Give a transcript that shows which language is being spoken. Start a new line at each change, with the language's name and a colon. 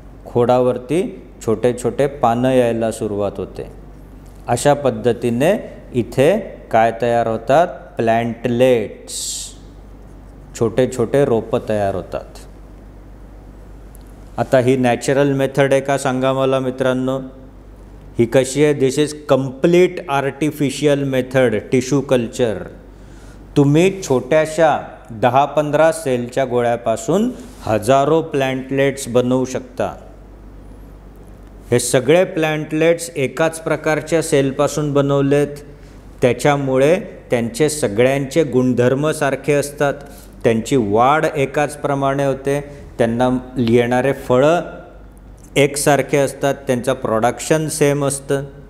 Marathi: खोडावरती छोटे छोटे पानं यायला सुरुवात होते. अशा पद्धतीने इथे काय तयार होतात? प्लँटलेट्स, छोटे छोटे रोपं तयार होतात. आता ही नॅचरल मेथड आहे का सांगा मला मित्रांनो? ही कशी आहे?
English: This is complete artificial method, tissue culture.
Marathi: तुम्ही छोट्याशा 10-15 सेलच्या गोळ्यापासून हजारो प्लँटलेट्स बनवू शकता. हे सगळे प्लँटलेट्स एकाच प्रकारच्या सेलपासून बनवलेत, त्याच्यामुळे त्यांचे सगळ्यांचे गुणधर्म सारखे असतात, त्यांची वाढ एकाच प्रमाणे होते, त्यांना येणारे फळं एकसारखे असतात, त्यांचं प्रोडक्शन सेम असतं.